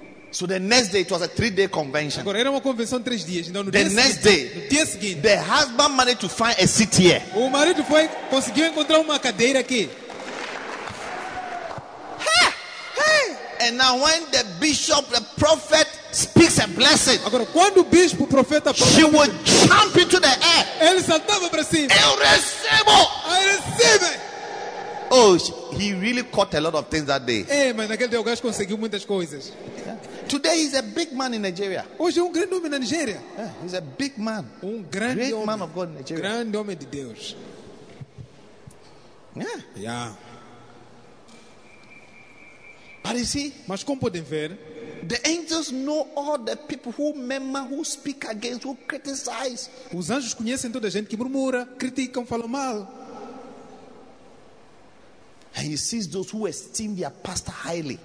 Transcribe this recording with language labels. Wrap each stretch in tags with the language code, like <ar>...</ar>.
<en>So the next day, it was a 3-day convention.</en> <pt>Agora, era uma convenção de 3 dias. Então, no</pt> <en>the</en> <pt>dia</pt> <en>next</en> <pt>seguinte,</pt> <en>day,</en> <pt>no dia seguinte,</pt> <en>the husband managed to find a seat here.</en> <pt>O marido foi, conseguiu encontrar uma cadeira aqui.</pt> <en>And now when the bishop, the prophet speaks a blessing,</en> <pt>agora, quando o bispo, o profeta,</pt> <en>she would jump into the air.</en> <pt>Ele saltava para cima. Eu recebo.</pt> <en>I receive. Oh, he really caught a lot of things that day.</en> <pt>Hey, mas naquele dia o gajo conseguiu muitas coisas.</pt> <en>Yeah. Today he's a big man in Nigeria.</en> <pt>Hoje é um grande homem na Nigéria.</pt> <en>Yeah, he's a big man.</en> <pt>Um grande</pt> <en>great</en> <pt>homem.</pt> <en>Man of God in Nigeria.</en> <pt>Grande homem de Deus.</pt> <en>Yeah. Yeah. But you see,</en> <pt>mas como podem ver,</pt> <en>the angels know all the people who murmur, who speak against, who criticize.</en> <pt>Os anjos conhecem toda a gente que murmura, criticam, falam mal.</pt> <en>And he sees those who esteem their pastor highly.</en>